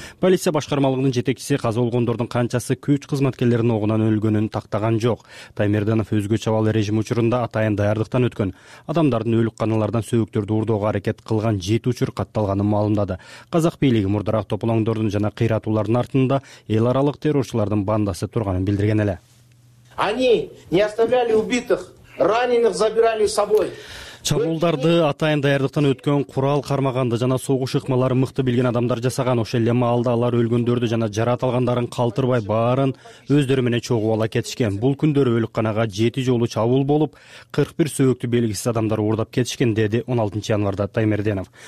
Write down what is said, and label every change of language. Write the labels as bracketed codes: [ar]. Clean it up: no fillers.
[ky] Полиция башкармалыгынын жетекчиси каза болгондордун канчасы күч кызматкерлеринин огунан өлгөнүн тактаган жок. Таймерденов өзгөчө абал режими учурунда атайын даярдыктан өткөн адамдардын өлүк каналардан сөөктөрдү урдоого аракет кылган 7 учур катталганын маалымдады. Казак бийлиги мурдараак тополоңдордун жана кыйратуулардын артында эл аралык террорчулардын бандасы турганын билдирген эле. [ru] Они не оставляли убитых, раненых забирали с собой. [ky] Чабуулдарды атайын даярдыктан өткөн, курал кармаганды жана согуш ыкмаларын мыкты билген адамдар жасаган. Ошол эле маалда алар өлгөндөрдү жана жараат алгандарын калтырбай баарын өздөрү менен чогуу ала кетишкен. Бул күндөрү өлүкканага 7 жолу чабуул болуп 41 сөөктү белгисиз адамдар уурдап кетишкен, деди 16-январда Таймерденов.